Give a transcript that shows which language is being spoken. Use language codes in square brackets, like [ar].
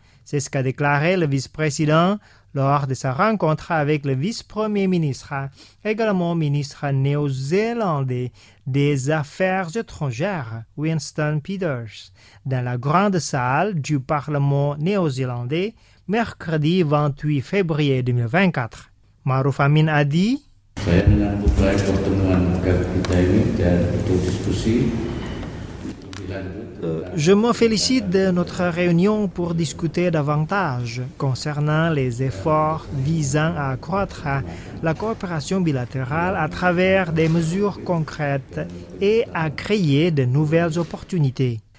[fr] C'est ce qu'a déclaré le vice-président lors de sa rencontre avec le vice-premier ministre, également ministre néo-zélandais des Affaires étrangères, Winston Peters, dans la grande salle du Parlement néo-zélandais, mercredi 28 février 2024. Maruf Amin a dit: [id] saya menyambut baik pertemuan kita ini dan untuk diskusi. [fr] Je me félicite de notre réunion pour discuter davantage concernant les efforts visant à accroître la coopération bilatérale à travers des mesures concrètes et à créer de nouvelles opportunités.